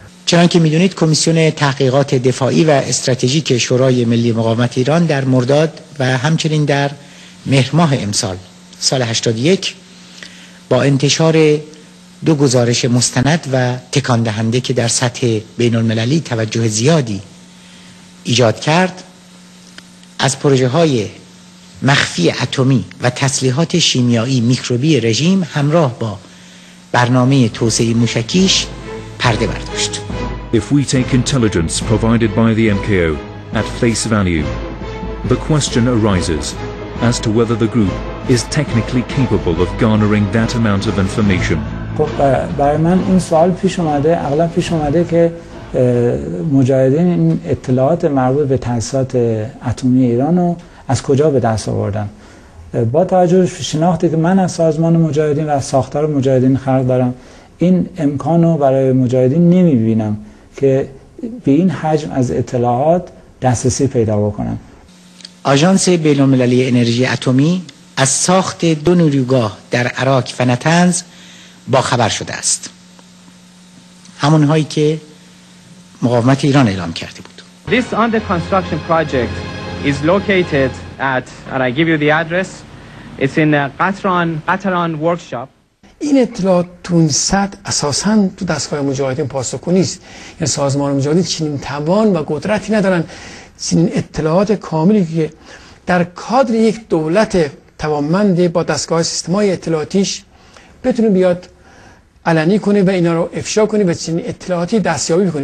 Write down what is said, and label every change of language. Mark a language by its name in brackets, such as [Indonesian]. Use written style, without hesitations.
[Persian] چنان که میدونید کمیسیون تحقیقات دفاعی و استراتژیک شورای ملی مقاومت ایران در مرداد و همچنین در مهر ماه امسال سال 81 با انتشار دو گزارش مستند و تکان دهنده که در سطح بین المللی توجه زیادی ایجاد کرد، از پروژه های مخفی اتمی و تسلیحات شیمیایی میکروبی رژیم همراه با برنامه توسعه موشکیش پرده برداشت. [English] If we take intelligence provided by the MKO at face value, the question arises as to whether the group is technically capable of garnering that amount of information. [Persian] خب برای من این سوال پیش اومده، اغلب پیش اومده که مجاهدین این اطلاعات مربوط به تاسیسات اتمی ایران رو از کجا به دست آوردن. با توجه به شناختی که من از سازمان مجاهدین و ساختار مجاهدین خلق دارم، این امکان رو برای مجاهدین نمیبینم که به این حجم از اطلاعات دسترسی پیدا بکنم. آژانس بین‌المللی انرژی اتمی از ساخت دو نیروگاه در عراق و نطنز با خبر شده است، همون هایی که مقاومت ایران اعلام کرده بود. [English] This under construction project is located at, and I give you the address, it's in Qatran workshop. [Persian] این اطلاعات تو این سطح اساساً تو دستگاه مجاهدین پاسخگو نیست. یعنی سازمان مجاهدین چنین توان و قدرتی ندارن چنین اطلاعات کاملی که در کادر یک دولت توانمند با دستگاه سیستمای اطلاعاتیش بتونه بیاد علنی کنه و اینا رو افشا کنه و چنین اطلاعاتی دستیابی کنه.